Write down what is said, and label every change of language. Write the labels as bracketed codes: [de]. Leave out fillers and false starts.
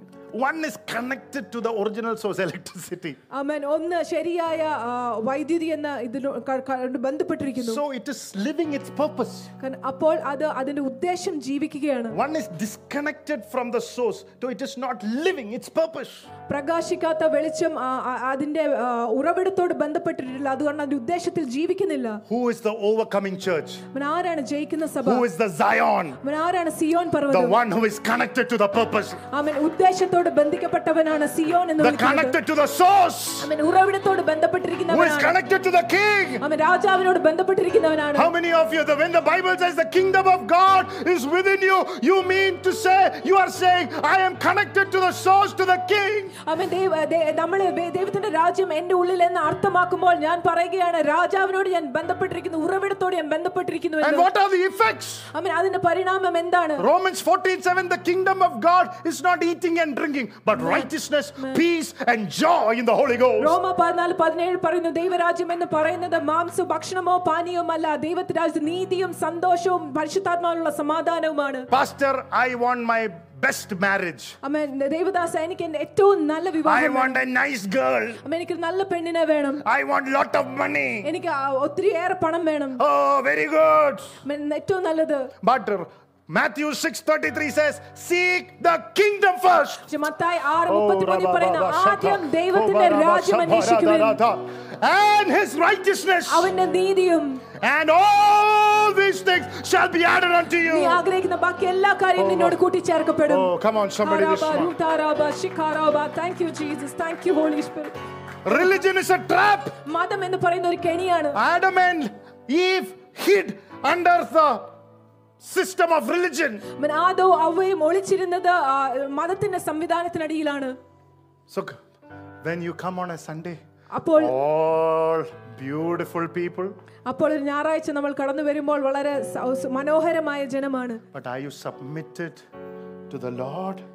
[en] One is connected to the original source electricity. Amen. [ml] ഒന്ന് ശരിയായ വൈദ്യുതി എന്ന ഇതിനോട് ബന്ധപ്പെട്ടിരിക്കുന്നു. [en] So it is living its purpose. [ml] അപ്പോൾ അത് അതിന്റെ ഉദ്ദേശം ജീവിക്കുകയാണ്. [en] One is disconnected from the source, so it is not living its purpose. [ml] പ്രകാശിക്കാത്ത വെളിച്ചം അതിന്റെ ഉറവിടത്തോട് ബന്ധപ്പെട്ടിട്ടില്ല, അതുകൊണ്ട് അതിന്റെ ഉദ്ദേശത്തിൽ ജീവിക്കുന്നില്ല. [en] Who is the overcoming church? [ml] ആരാണ് ജയിക്കുന്ന സഭ? [en] Who is the Zion? [ml] ആരാണ് സിയോൻ പർവ്വതം? [en] The one who is connected to the purpose. Amen. [ml] ഉദ്ദേശത്തോട് ബന്ധിക്കപ്പെട്ടവനാണ് Zion എന്ന് വിളിക്കുന്നത്. ഉറവിടത്തോട് ബന്ധപ്പെട്ടിരിക്കുന്നവനാണ് രാജാവിനോട് ബന്ധപ്പെട്ടിരിക്കുന്നവനാണ്. [en] How many of you, when the Bible says the kingdom of God is within you, you mean to say, you are saying, I am connected to the source, to the king. [ml] അമേ, നമ്മൾ ദൈവത്തിന്റെ രാജ്യം എന്റെ ഉള്ളിൽ എന്ന് അർത്ഥമാക്കുമ്പോൾ ഞാൻ പറയുകയാണ് രാജാവിനോട് ഞാൻ ബന്ധപ്പെട്ടിരിക്കുന്നു, ഉറവിടത്തോട് ഞാൻ ബന്ധപ്പെട്ടിരിക്കുന്നു. [en] And what are the effects? [ml] അമേ, അതിന്റെ പരിണാമം എന്താണ്? [en] Romans 14:7, the kingdom of God is not eating and drinking, but righteousness, Amen. Peace and joy in the Holy Ghost. [ml] Roma 14:17 പറയുന്നു, ദൈവരാജ്യം എന്ന് പറയുന്നത് മാംസവും ഭക്ഷണമോ പാനീയമല്ല, ദൈവത്തിന്റെ രാജ്യം നീതിയും സന്തോഷവും പരിശുദ്ധാത്മാവുള്ള സമാധാനവുമാണ്. [en] Pastor, I want my best marriage. [ml] Amen. Devdas, എനിക്ക് ഏറ്റവും നല്ല വിവാഹം. [en] I want a nice girl. [ml] Amen. എനിക്ക് നല്ല പെണ്ണിനെ വേണം. [en] I want lot of money. [ml] എനിക്ക് ഒത്തിരി ഏറെ പണം വേണം. [en] Oh, very good. [ml] Amen. ഏറ്റവും നല്ലത്. [en] But Matthew 6:33 says, seek the kingdom first. [ml] ജമത്തായി 6:33 പറയുന്നു, ആദ്യം ദൈവത്തിന്റെ രാജ്യം അന്വേഷിക്കുവിൻ. [en] And his righteousness. [ml] അവന്റെ നീതിയും. [en] And all these things shall be added unto you. [ml] നീ ആഗ്രഹിക്കുന്ന ബാക്കി എല്ലാ കാര്യങ്ങളും നിന്നോട് കൂട്ടി ചേർക്കപ്പെടും. [en] Oh, come on somebody, this one. Thank you Jesus. Thank you Holy Spirit. Religion is a trap. [ml] മതം എന്ന് പറയുന്ന ഒരു കെണിയാണ്. [en] Adam and Eve hid under the system of religion. [ml] മന ആദോ അവയും ഒളിച്ചിരുന്നത് മതത്തിന്റെ സംവിധാനത്തിനടിയിലാണ്. [en] So when you come on a Sunday, [ml] അപ്പോൾ [en] all beautiful people. [ml] അപ്പോൾ ഞായറാഴ്ച നമ്മൾ കടന്നു വരുമ്പോൾ വളരെ മനോഹരമായ ജനമാണ്. [en] But are you submitted to the Lord?